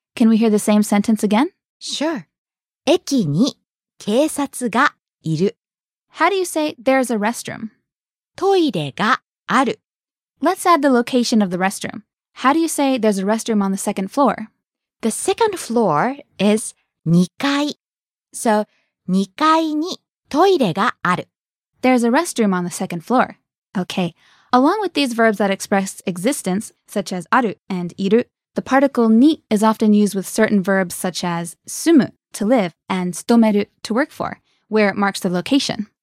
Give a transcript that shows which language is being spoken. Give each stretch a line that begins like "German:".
English: Can we hear the same sentence again? Sure.
Japanese: 駅に警察がいる。
English: How do you say there's a restroom?
Japanese: トイレがある。
English: Let's add the location of the restroom. How do you say there's a restroom on the second floor? The second floor is 2階.
Japanese: So, 2階にトイレがある。
English: There's a restroom on the second floor. Okay. Along with these verbs that express existence, such as ある and いる, the particle に is often used with certain verbs such as 住む, to live, and 勤める, to work for, where it marks the location.